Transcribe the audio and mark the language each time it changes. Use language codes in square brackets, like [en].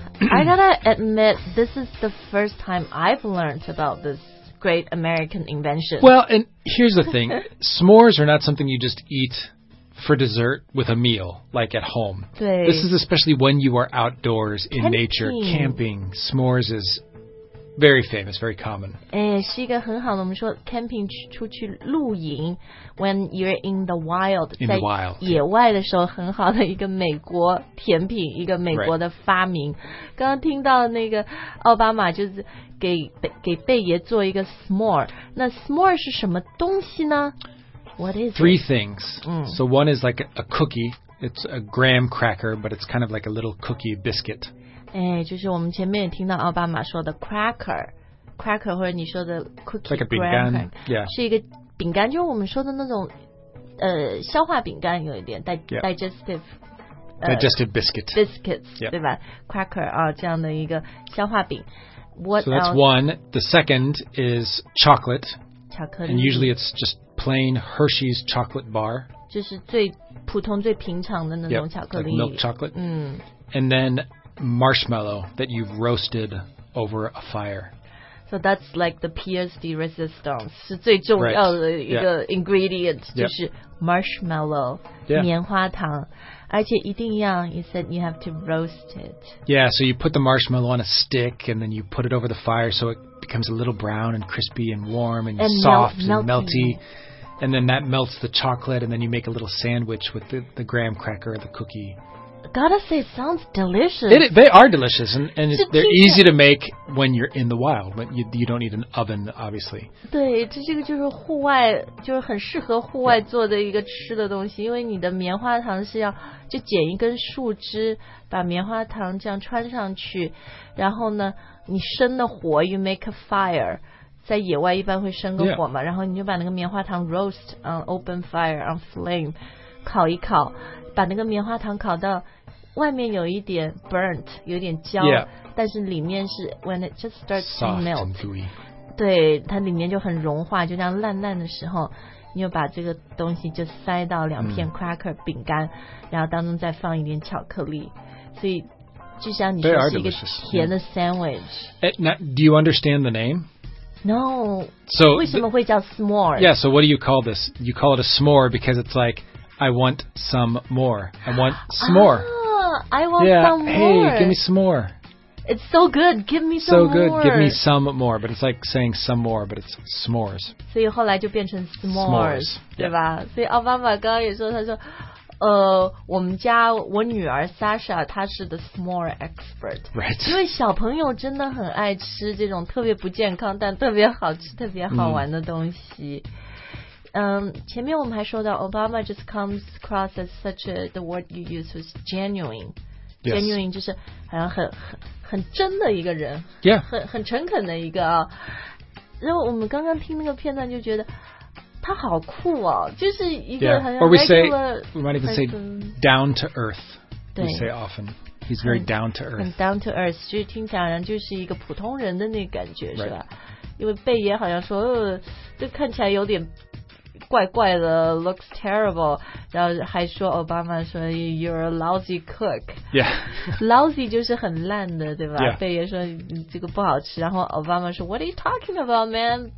[en] I gotta admit, this is the first time I've learned about this great American invention. Well, and here's the thing. S'mores are not something you just eat for dessert with a meal, like at home. This is especially when you are outdoors in nature, camping. S'mores is very famous, very common. [zh] 是一个很好的，我们说 camping 出去露营 [en] when you're in the wild. In the wild. [zh] 在野外的时候，很好的一个美国甜品，一个美国的发明。刚刚听到那个奥巴马就是给贝爷做一个 s'more. 那 s'more 是什么东西呢？ [en] What is three it? Things. So one is like a cookie. It's a graham cracker, but it's kind of like a little cookie biscuit. [zh] 就是我们前面也听到奥巴马说的 cracker. Cracker 或者你说的 cookie. [en] Like a 饼干 Yeah. [zh] 是一个饼干，就是我们说的那种消化饼干，有一点 [en] digestive biscuit. [zh] Biscuits, 对吧 Cracker, 这样的一个消化饼。 [en] What so that's else? One. The second is chocolate. Chocolate. And usually it's just... plain Hershey's chocolate bar. [zh] 就是最普通最平常的那种巧克力。 [en] Yep, like milk chocolate. [zh] 嗯。 [en] And then marshmallow that you've roasted over a fire. So that's like the pièce de résistance, [zh] 是最重要的一个 ingredient, 就是 marshmallow, 棉花糖。而且一定要 [en] you said you have to roast it. Yeah, so you put the marshmallow on a stick and then you put it over the fire so it becomes a little brown and crispy and warm and soft melty. And then that melts the chocolate and then you make a little sandwich with the graham cracker or the cookie. Gotta say, it sounds delicious. They are delicious and they're easy to make when you're in the wild, but you don't need an oven, obviously. [zh] 对，这个就是户外，就是很适合户外做的一个吃的东西，因为你的棉花糖是要就剪一根树枝，把棉花糖这样穿上去，然后呢，你生的火 ， [en] you make a fire， [zh] 在野外一般会生个火嘛，然后你就把那个棉花糖 [en] roast on open fire on flame， [zh] 烤一烤，把那个棉花糖烤到外面有一点 burnt， 有点焦， [en] yeah. [zh] 但是里面是 [en] when it just starts soft to melt， and gooey. [zh] 对，它里面就很融化，就这样烂烂的时候，你就把这个东西就塞到两片 cracker 饼干，然后当中再放一点巧克力，所以就像你说是一个甜的 sandwich。 [en] Now, do you understand the name？ No. So, [zh] 为什么会叫 s'more? [en] Yeah, so what do you call this? You call it a s'more because it's like, I want some more. I want s'more. I want yeah, some more. Hey, give me some more. It's so good. Give me some so more. So good. Give me some more. But it's like saying some more, but it's s'mores. [zh] 所以后来就变成 [en] s'mores, [zh] 对吧、 [en] yeah. [zh] 所以奥巴马刚刚也说他说我们家我女儿 Sasha 她是 [en] the s'more expert、 right. [zh] 因为小朋友真的很爱吃这种特别不健康但特别好吃特别好玩的东西嗯，前面我们还说到 [en] Obama just comes across as such a, the word you use was genuine、 yes. [zh] genuine 就是好像 很真的一个人、 [en] yeah. [zh] 很诚恳的一个、哦、然后我们刚刚听那个片段就觉得他好酷哦，就是一个很 [en] regular person. Or we might even say down to earth. We say often he's very down to earth. [zh] 很 down to earth， 就听起来就是一个普通人的那感觉， [en] right. [zh] 是吧？因为贝爷好像说，就看起来有点怪怪的 ， [en] looks terrible。 [zh] 然后还说奥巴马说 [en] you're a lousy cook。 Yeah，lousy [zh] 就是很烂的，对吧？ [en] Yeah. [zh] 贝爷说你这个不好吃。然后奥巴马说 [en] what are you talking about, man?